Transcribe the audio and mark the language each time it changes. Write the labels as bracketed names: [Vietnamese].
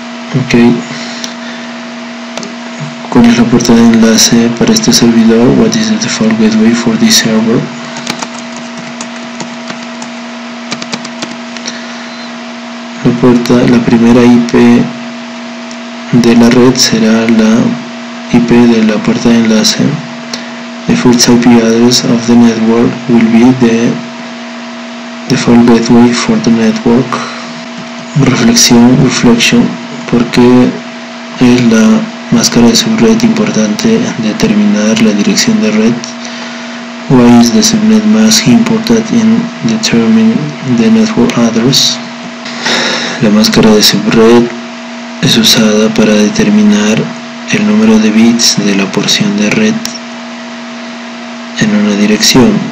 [Spanish] Ok, ¿cuál es la puerta de enlace para este servidor? [English] What is the default gateway for this server? [Spanish] La primera IP de la red será la IP de la puerta de enlace. [English] The first IP address of the network will be the default gateway for the network. [Spanish] Reflexión. ¿Por qué es la máscara de subred importante determinar la dirección de red? [English] Why is the subnet mask important in determining the network address? [Spanish] La máscara de subred es usada para determinar el número de bits de la porción de red en una dirección.